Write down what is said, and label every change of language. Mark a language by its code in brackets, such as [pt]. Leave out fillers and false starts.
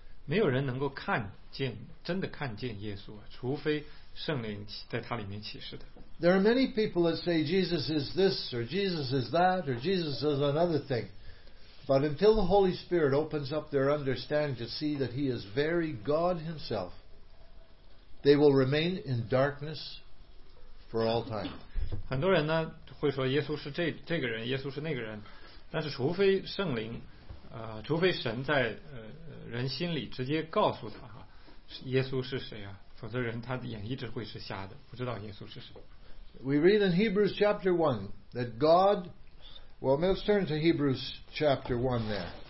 [zh] 没有人能够看见真的看见耶稣，除非圣灵在他里面启示的。 [en] There are many people that say Jesus is this or Jesus is that or Jesus is another thing, but until the Holy Spirit opens up their understanding to see that He is very God Himself, they will remain in darkness for all time. [zh] 很多人呢。会说耶稣是这个人，耶稣是那个人，但是除非圣灵，除非神在人心里直接告诉他哈，耶稣是谁啊？否则人他的眼一直会是瞎的，不知道耶稣是谁。 [en] We read in Hebrews chapter 1 that God. Well, let's turn to Hebrews chapter 1 there.、